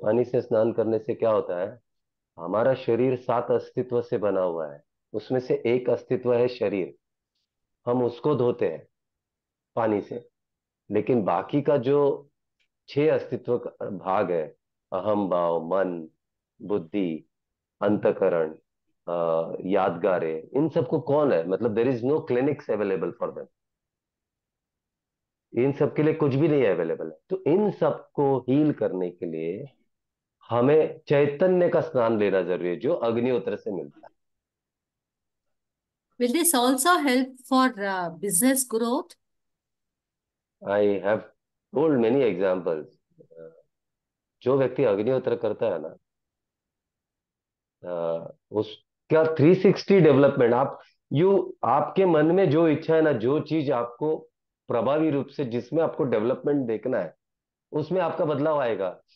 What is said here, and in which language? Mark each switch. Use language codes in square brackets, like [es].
[hi] पानी से स्नान करने से क्या होता है, हमारा शरीर 7 अस्तित्व से बना हुआ है, उसमें से एक अस्तित्व है शरीर, हम उसको धोते हैं पानी से, लेकिन बाकी का जो 6 अस्तित्व का भाग है, अहम भाव, मन, बुद्धि, अंतकरण, यादगारे, इन सबको कौन है, मतलब [en] there is no clinics available for them, [hi] इन सबके लिए कुछ भी नहीं है अवेलेबल है। तो इन सबको हील करने के लिए हमें चैतन्य का स्नान लेना जरूरी है जो अग्निहोत्र से मिलता [en] Will this also help for business growth? [hi] है। [en] I have told many examples, [hi] जो व्यक्ति अग्निहोत्र करता है ना, उस क्या 360 डेवलपमेंट, आप यू आपके मन में जो इच्छा है ना, जो चीज आपको प्रभावी रूप से जिसमें आपको डेवलपमेंट देखना है उसमें आपका बदलाव आएगा।